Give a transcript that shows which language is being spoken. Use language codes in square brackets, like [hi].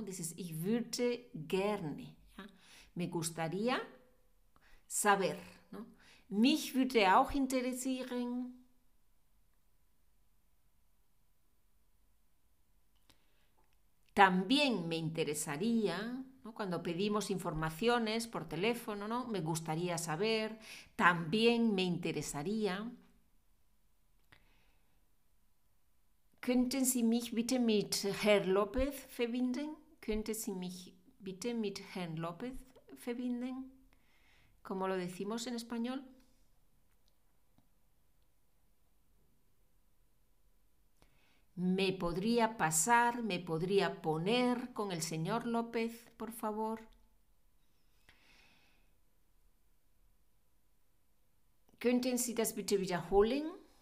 [es] Dices [de] ich würde gerne, [es] ¿ja? Me gustaría saber, ¿no? [de] Mich würde auch interessieren. [es] También me interesaría. Cuando pedimos informaciones por teléfono, ¿no? Me gustaría saber, también me interesaría. [de] ¿Könnten Sie mich bitte mit Herrn López verbinden? ¿Könnten Sie mich bitte mit Herrn López verbinden? [es] ¿Cómo lo decimos en español? ¿Me podría pasar, me podría poner con el señor López, por favor? [de] ¿Könnten Sie das bitte wiederholen?